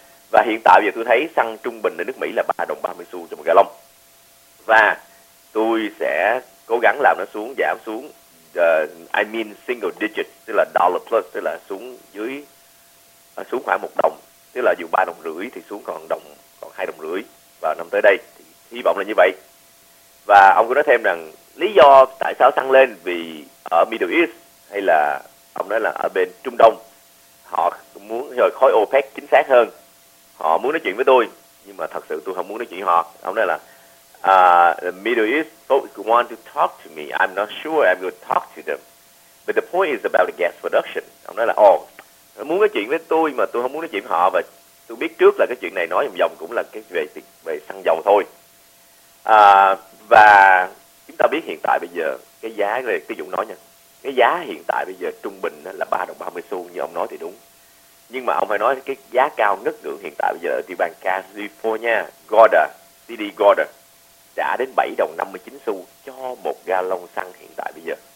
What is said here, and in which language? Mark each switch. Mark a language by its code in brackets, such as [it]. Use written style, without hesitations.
[vi] Và hiện tại giờ tôi thấy xăng trung bình ở nước Mỹ là 3 đồng 30 xu cho một gallon, và tôi sẽ cố gắng làm nó xuống, giảm xuống [en] I mean single digit, [vi] tức là dollar plus, tức là xuống dưới xuống khoảng 1 đồng, tức là dù 3 đồng rưỡi thì xuống còn 2 đồng rưỡi vào năm tới đây, thì hy vọng là như vậy. Và ông có nói thêm rằng lý do tại sao xăng lên, vì ở Middle East, hay là ông nói là ở bên Trung Đông, họ muốn rồi khối OPEC chính xác hơn, họ muốn nói chuyện với tôi, nhưng mà thật sự tôi không muốn nói chuyện với họ. Ông nói là [en] the Middle East folks want to talk to me, I'm not sure I'm going to talk to them, but the point is about the gas production. [vi] Ông nói là muốn nói chuyện với tôi mà tôi không muốn nói chuyện với họ, và tôi biết trước là cái chuyện này nói vòng vòng cũng là cái về xăng dầu thôi. Và chúng ta biết hiện tại bây giờ cái giá này, ví dụ nói nha, cái giá hiện tại bây giờ trung bình là 3 đồng 30 xu, như ông nói thì đúng, nhưng mà ông phải nói cái giá cao nhất ngưỡng hiện tại bây giờ ở địa bàn California, Goda, City Goda đã đến 7 đồng 59 xu cho một gallon xăng hiện tại bây giờ.